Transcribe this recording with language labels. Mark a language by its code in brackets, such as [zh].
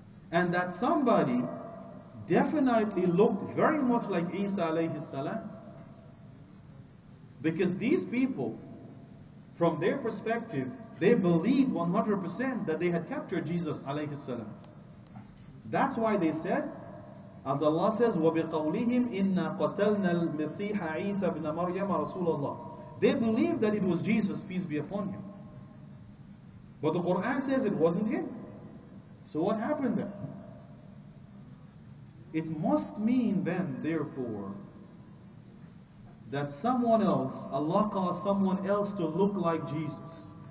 [en] And that somebody definitely looked very much like Isa alayhi salam. Because these people, from their perspective, they believed 100% that they had captured Jesus alayhi salam. That's why they said, as Allah says, [ar] وَبِقَوْلِهِمْ إِنَّا قَتَلْنَا الْمَسِيحَ عِيسَى بْنَ مَرْيَمَ رَسُولَ اللَّهِ. [en] They believed that it was Jesus, peace be upon him. But the Quran says it wasn't him. So what happened then? It must mean then, therefore, that someone else, Allah caused someone else to look like Jesus.